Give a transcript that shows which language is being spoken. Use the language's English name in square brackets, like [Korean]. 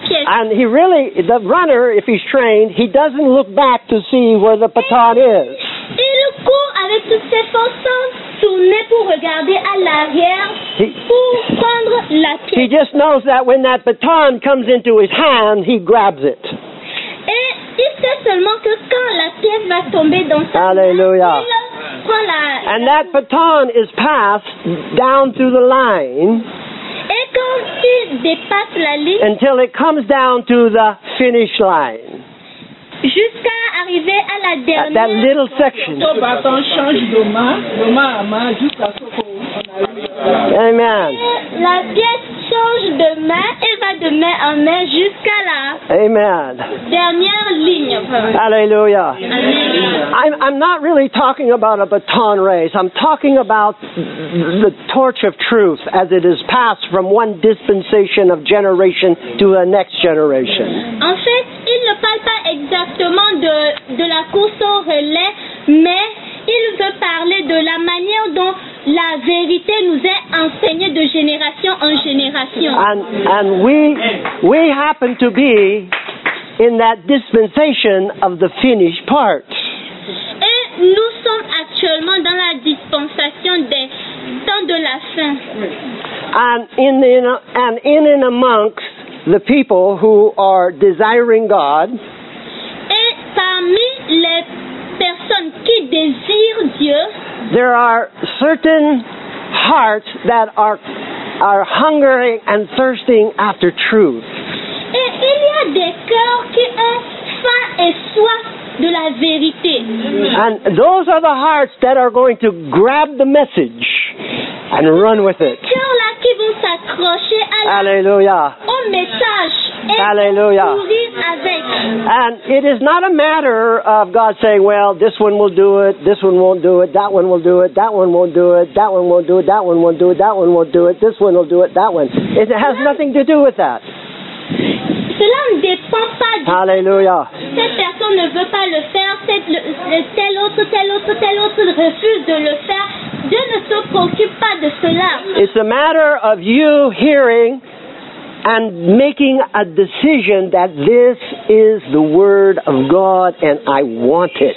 [English] And he really, the runner, if he's trained, he doesn't look back to see where the baton is. [French] Il court avec toutes ses forces sans tourner pour regarder à l'arrière pour prendre la pièce. [English] He just knows that when that baton comes into his hand, he grabs it. [French] Et il sait seulement que quand la pièce va tomber dans sa main, il prend la. [English] And that baton is passed down through the line. [French] Et quand il dépasse la ligne, [English] until it comes down to the finish line. [French] Jusqu'à arriver à la dernière. [English] That little section. [French] Le baton change de main, à main, jusqu'à ce qu'on arrive. Amen. La pièce change de main et va de main en main jusqu'à la. Amen. Dernière ligne. Alléluia. Alléluia. [English] I'm not really talking about a baton race. I'm talking about the torch of truth as it is passed from one dispensation of generation to the next generation. [French] En fait, il ne parle pas exactement de la course au relais, mais il veut parler de la manière dont la vérité nous est enseignée de génération en génération. [English] And we happen to be in that dispensation of the finished part. [French] Et nous sommes actuellement dans la dispensation des temps de la fin. [English] And in amongst the people who are desiring God. [French] Et parmi les personnes qui désirent Dieu, [English] there are certain hearts that are hungering and thirsting after truth. [French] Et il y a des cœurs qui ont faim et soif de la vérité. [English] And those are the hearts that are going to grab the message and run with it. [French] Cœurs-là qui vont s'accrocher à la. Alléluia. Au message. Alléluia. [English] And it is not a matter of God saying, well, this one will do it, this one won't do it, that one will do it, that one won't do it, that one won't do it, that one won't do it, that one won't do it, this one will do it, that one. It has nothing to do with that. [French] Cela ne dépend pas de. Alléluia. Cette personne ne veut pas le faire, telle autre refuse de le faire. Dieu ne se préoccupe pas de cela. [English] It's a matter of you hearing and making a decision that this is the word of God and I want it.